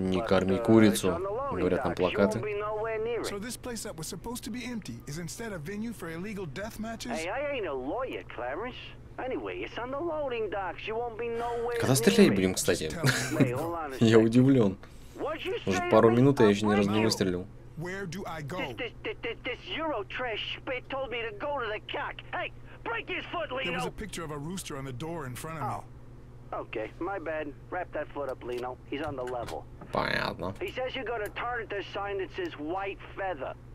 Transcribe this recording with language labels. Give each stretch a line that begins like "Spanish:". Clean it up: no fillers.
Russian: не корми курицу, говорят нам плакаты.
English: So this place that was supposed to be empty is instead a venue for illegal death matches? Hey, I ain't a lawyer, Clarence. Anyway, it's on the loading docks. You won't be nowhere near.
Russian: Когда стрелять будем, кстати? Я удивлен. Уже пару минут, а я еще ни разу не выстрелил.
English: Where do I go? This Eurotrash spit told me to go to the cock. Hey, break his foot, Lino! There was a picture of a rooster on the door in front of me. Okay, my bad. Wrap that foot up, Lino. He's on the level.
Russian: Понятно.
English: He says you got a turn at the sign that says white feather.